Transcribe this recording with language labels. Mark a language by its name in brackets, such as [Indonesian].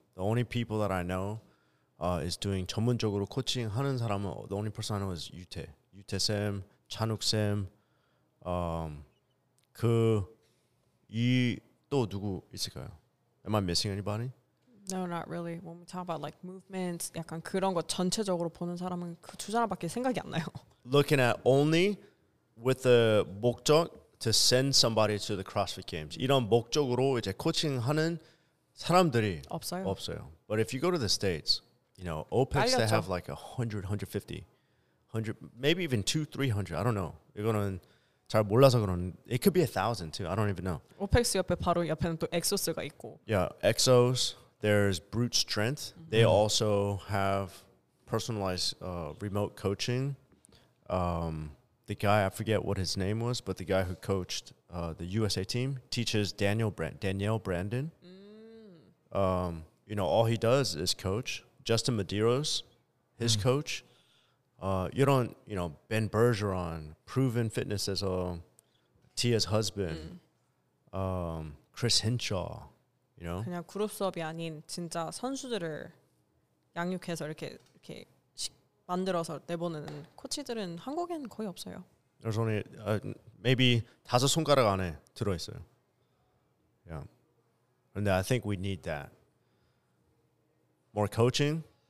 [English] The only people that I know is doing [Korean] 전문적으로 코칭 하는 사람은 [English] the only person I know is 유태쌤, 찬욱쌤 [Korean] 그 이 또 누구 있을까요? [English] Am I missing anybody? No, not really. When we talk about like movements, [Korean] 약간 그런 거 전체적으로 보는 사람은 그 두 사람밖에 생각이 안 나요. [English] Looking at only with the 목적 to send somebody to the CrossFit Games. [Korean] 이런 목적으로 이제 코칭하는 사람들이 없어요. 없어요. [English] But if you go to the States, you know, OPEX, they have like 100, 150, 100, maybe even 200, 300. I don't know. [Korean] 이거는 잘 몰라서 그런. [English] It could be 1,000 too. I don't even know. [Korean] OPEX 옆에 바로 옆에는 또 EXOS가 있고. [English] Yeah, EXOS. There's Brute Strength. They also have personalized remote coaching. The guy, I forget what his name was, but the guy who coached the USA team teaches Daniel Brandon. You know, all he does is coach. Justin Medeiros, his coach. You don't, you know, Ben Bergeron, proven fitness as a Tia's husband. Chris Hinshaw, you know. [Korean] 그냥 그룹 수업이 아닌 진짜 선수들을 양육해서 이렇게 만들어서 내보내는 코치들은 한국에는 거의 없어요. [English] There's only maybe [Korean] 다섯 손가락 안에 들어 있어요. [English] Yeah, and I think we need that. More coaching.